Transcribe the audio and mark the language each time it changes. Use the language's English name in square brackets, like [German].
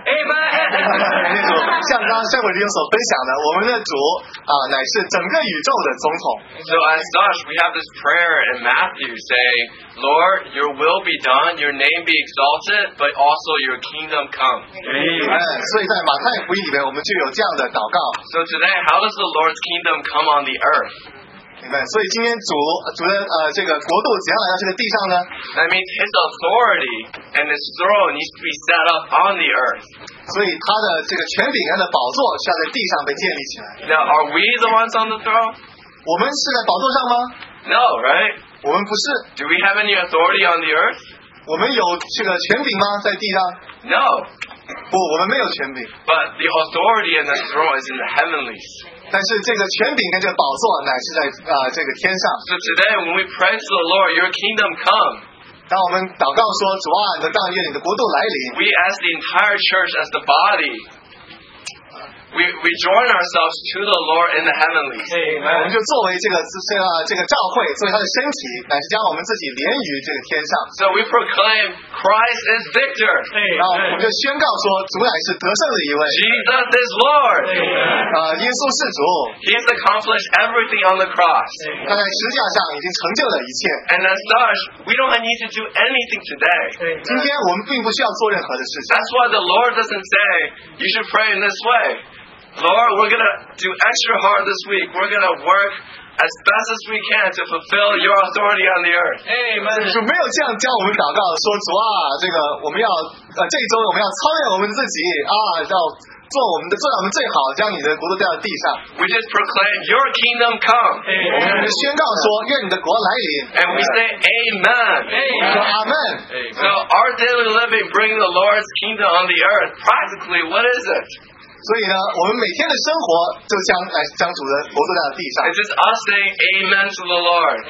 [English] Amen. [Chinese] 那种像刚刚 Shepherd 所分享的，我们的主啊，乃是整个宇宙的总统。 [English] So as such, we have this prayer in Matthew saying, Lord, your will be done, your name be exalted, but also your kingdom come. Amen. [Chinese] 所以在马太福音里面，我们就有这样的祷告。 [English] So today, how does the Lord's kingdom come on the earth? Amen. [Chinese] 所以今天主的这个国度怎样来到这个地上呢？ [English] That means his authority and his throne needs to be set up on the earth. [Chinese] 所以他的这个权柄的宝座是要在地上被建立起来。 [English] Now, are we the ones on the throne? [Chinese] 我们是在宝座上吗？ [English] No, right? [Chinese] 我们不是。 [English] Do we have any authority on the earth? [Chinese] 我们有这个权柄吗？在地上？ [English] No. [Chinese] 不，我们没有权柄。 [English] But the authority and the throne is in the heavenlies. [Chinese] 但是这个权柄跟这个宝座乃是在这个天上。 [English] So today when we praise the Lord, your kingdom come. [Chinese] 当我们祷告说主啊，你的大愿，你的国度来临。 [English] We as the entire church, as the body, we join ourselves to the Lord in the heavenly. [Chinese] 我们就作为这个教会，作为他的身体，乃是将我们自己连于这个天上。 [English] So we proclaim Christ is victor. [Chinese] 然后我们就宣告说，主乃是得胜的一位。 [English] Jesus is Lord. [Chinese] 耶稣是主。 [English] He has accomplished everything on the cross. [Chinese] 他在十字架上已经成就了一切。 [English] And as such, we don't need to do anything today. [Chinese] 今天我们并不需要做任何的事情。 [English] That's why the Lord doesn't say you should pray in this way. Lord, we're going to do extra hard this week. We're going to work as best as we can to fulfill your authority on the earth. Amen. [Chinese] 主没有这样教我们祷告，说主啊，这个我们要这一周我们要超越我们自己啊，要做我们的做到我们最好，将你的国度带到地上。 [English] We just proclaim your kingdom come. [Chinese] 我们就宣告说愿你的国来临。 [English] And we say Amen. Amen. So our daily living bring the Lord's kingdom on the earth. Practically, what is it? [Chinese] 所以呢，我们每天的生活就将主的国度带到地上。 [English] It's just us saying Amen to the Lord.